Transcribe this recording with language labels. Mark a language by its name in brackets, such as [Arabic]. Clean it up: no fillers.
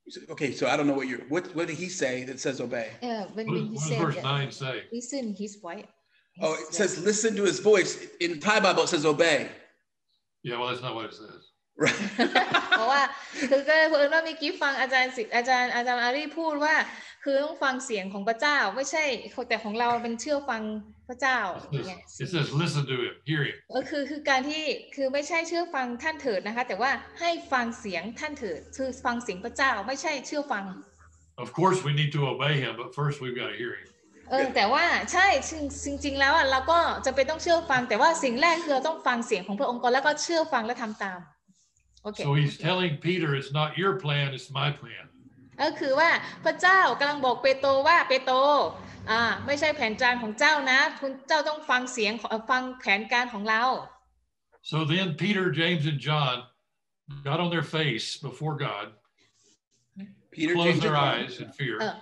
[English] Okay, so I don't know what you're. What did he say that says obey? What does verse 9 say? Listen, his voice. It says listen to his voice. In the Thai Bible, it says obey. Yeah, well, that's not what it says. [Thai] เพราะว่าคือก็เพิ่งว่าเมื่อกี้ฟังอาจารย์อารีพูดว่าคือต้องฟังเสียงของพระเจ้าไม่ใช่แต่ของเราเป็นเชื่อฟังพระเจ้า [English] It says listen to him, hear him [Thai] คือการที่คือไม่ใช่เชื่อฟังท่านเถิดนะคะแต่ว่าให้ฟังเสียงท่านเถิดคือฟังเสียงพระเจ้าไม่ใช่เชื่อฟัง [English] Of course we need to obey him but first we've got to hear him [Thai] แต่ว่าใช่จริงๆแล้วเราก็จะเป็นต้องเชื่อฟังแต่ว่าสิ่งแรกคือต้องฟังเสียงของพระองค์แล้วก็เชื่อฟังและทำตามOkay. [English] So he's telling Peter, it's not your plan, it's my plan. [Thai] ก็คือว่าพระเจ้ากำลังบอกเปโตรว่าเปโตรไม่ใช่แผนการของเจ้านะคุณเจ้าต้องฟังเสียงฟังแผนการของเรา [English] So then Peter, James, and John got on their face before God, closed their eyes in fear.